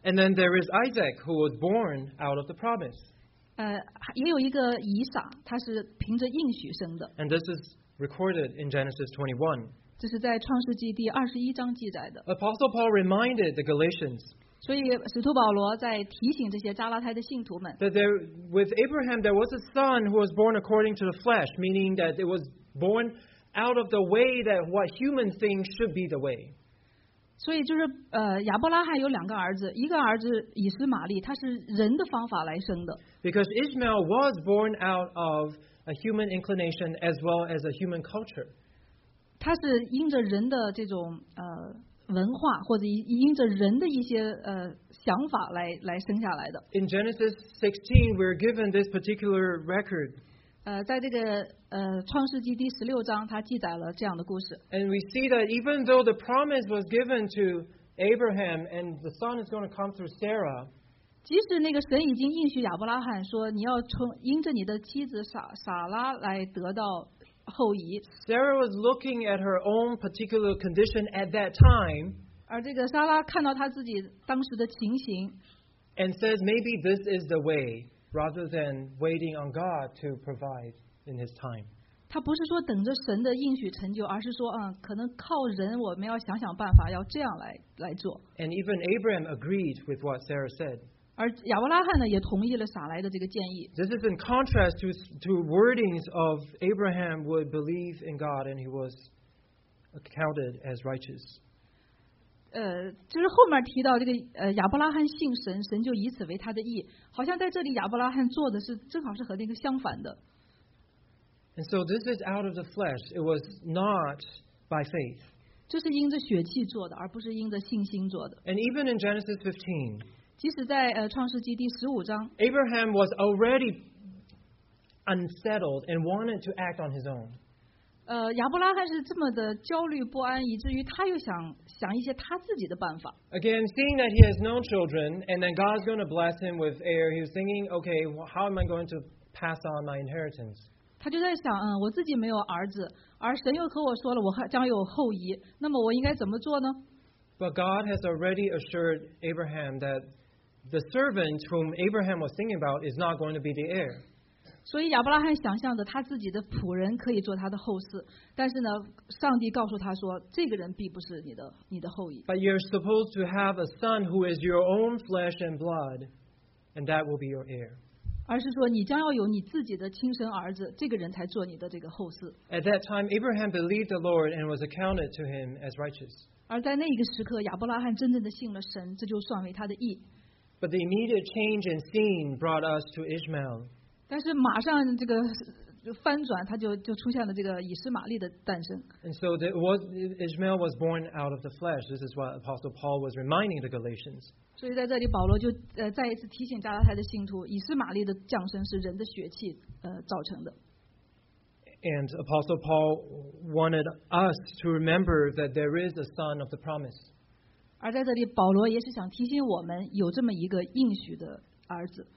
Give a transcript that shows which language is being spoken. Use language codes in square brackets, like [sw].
[en] And then there is Isaac who was born out of the promise. [zh] 也有一个以撒，他是凭着应许生的。 [en] And this is recorded in Genesis 21. [zh] 这是在创世纪第二十一章记载的。 [en] Apostle Paul reminded the Galatians. [zh] 所以使徒保罗在提醒这些加拉太的信徒们。 [en] That there with Abraham there was a son who was born according to the flesh, meaning that it was born out of the way that what human thinks should be the way. [zh] 所以就是亚伯拉罕有两个儿子，一个儿子以斯玛利，他是人的方法来生的。 [en] Because Ishmael was born out of a human inclination as well as a human culture. [zh] 他是因着人的这种文化，或者因着人的一些想法来生下来的。 [en] In Genesis 16, we're given this particular record. [zh] 在这个创世纪第十六章，他记载了这样的故事。 [en] And we see that even though the promise was given to Abraham and the son is going to come through Sarah, [zh] 即使那个神已经应许亚伯拉罕说你要因着你的妻子撒拉来得到后裔， [en] Sarah was looking at her own particular condition at that time, [zh] 而这个撒拉看到她自己当时的情形， [en] and says maybe this is the way rather than waiting on God to provide. In his time. [zh] 他不是说等着神的应许成就，而是说可能靠人我们要想想办法要这样来做。 [en] And even Abraham agreed with what Sarah said. [zh] 而亚伯拉罕呢也同意了撒来的这个建议。 [en] This is in contrast to wordings of Abraham would believe in God and he was accounted as righteous. [zh] 就是后面提到这个亚伯拉罕信神，神就以此为他的义，好像在这里亚伯拉罕做的是正好是和那个相反的。 [en] And so this is out of the flesh. It was not by faith. [zh] 这是因着血气做的，而不是因着信心做的。 [en] And even in Genesis 15, [zh] 即使在创世纪第十五章， [en] Abraham was already unsettled and wanted to act on his own. [zh] 亚伯拉罕是这么的焦虑不安，以至于他又想一些他自己的办法。 [en] Again, seeing that he has no children, and then God's going to bless him with heir, he was thinking, okay, how am I going to pass on my inheritance? [zh] 他就在想我自己没有儿子，而神又和我说了我将有后裔，那么我应该怎么做呢？ [en] But God has already assured Abraham that the servant whom Abraham was thinking about is not going to be the heir. [zh] 所以亚伯拉罕想象着他自己的仆人可以做他的后嗣，但是呢上帝告诉他说这个人并不是你的后裔。 [en] But you're supposed to have a son who is your own flesh and blood and that will be your heir. [zh] 而是说你将要有你自己的亲生儿子，这个人才做你的这个后嗣。 [en] At that time, Abraham believed the Lord and was accounted to him as righteous. [zh] 而在那一个时刻，亚伯拉罕真正的信了神，这就算为他的义。 [en] But the immediate change in scene brought us to Ishmael. [zh] 但是马上这个翻转，他就出现了这个以斯玛利的诞生。 [en] And so Ishmael was born out of the flesh. This is what Apostle Paul was reminding the Galatians. [zh] 所以在这里保罗就再一次提醒加拉太的信徒，以斯玛利的降生是人的血气造成的。 [en] And Apostle Paul wanted us to remember that there is a son of the promise. [zh] 而在这里保罗也是想提醒我们有这么一个应许的儿子。